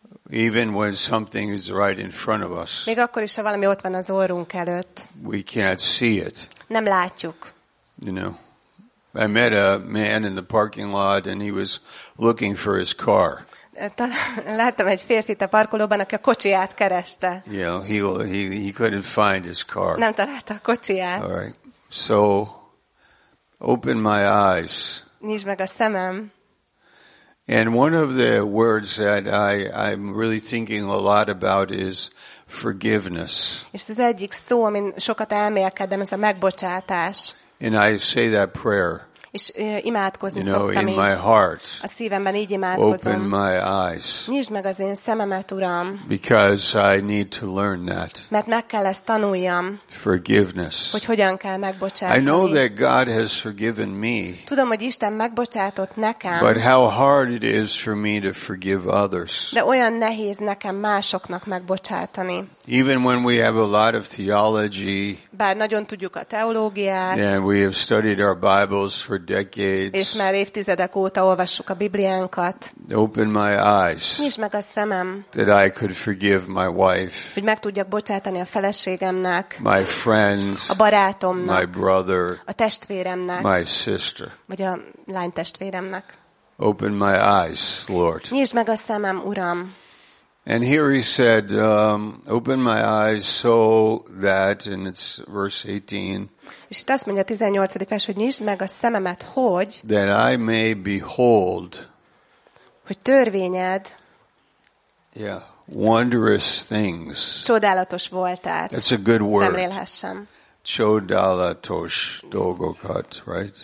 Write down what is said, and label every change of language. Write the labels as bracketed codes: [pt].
[en] Even when something is right in front of us. [hu] Még akkor is, ha valami ott van az orrunk előtt. [en] We can't see it. [hu] Nem látjuk. [en] You know. I met a man in the parking lot and he was looking for his car. [hu] Láttam egy férfit a parkolóban, aki a kocsiját kereste. [en] You know, he couldn't find his car. [hu] Nem találta a kocsiját. [en] All right. So open my eyes. [hu] Nyisd meg a szemem. [en] And one of the words that I'm really thinking a lot about is forgiveness. [hu] És az egyik szó, amin sokat elmélkedem, ez a megbocsátás. [en] And I say that prayer. [hu] És imádkozni szoktam így. [en] In my heart. [hu] A szívemben így imádkozom. [en] Open my eyes. [hu] Nyisd meg az én szememet, Uram. [en] Because I need to learn that. [hu] Mert meg kell ezt tanuljam. [en] Forgiveness. [hu] Hogy hogyan kell megbocsátani. [en] I know that God has forgiven me. [hu] Tudom, hogy Isten megbocsátott nekem. [en] But how hard it is for me to forgive others. [hu] De olyan nehéz nekem másoknak megbocsátani. [en] Even when we have a lot of theology. [hu] Bár nagyon tudjuk a teológiát. [en] And we have studied our Bibles for decades. [hu] És már évtizedek óta olvassuk a Bibliánkat. [en] Open my eyes. [hu] Nyisd meg a szemem. [en] That I could forgive my wife. [hu] Hogy meg tudjak bocsátani a feleségemnek. [en] My friends. [hu] A barátomnak. [en] My brother. [hu] A testvéremnek. [en] My sister. [hu] Vagy a lány testvéremnek. [en] Open my eyes, Lord. [hu] Nyisd meg a szemem, Uram. [en] And here he said, open my eyes so that, and it's verse 18. [hu] És itt azt mondja a 18. vers, hogy nyisd meg a szememet, hogy [en] that I may behold, [hu] hogy törvényed, [en] yeah, wondrous things, [hu] csodálatos voltát, [en] that's a good word, [hu] szemlélhessem. Csodálatos dolgokat, [en] right?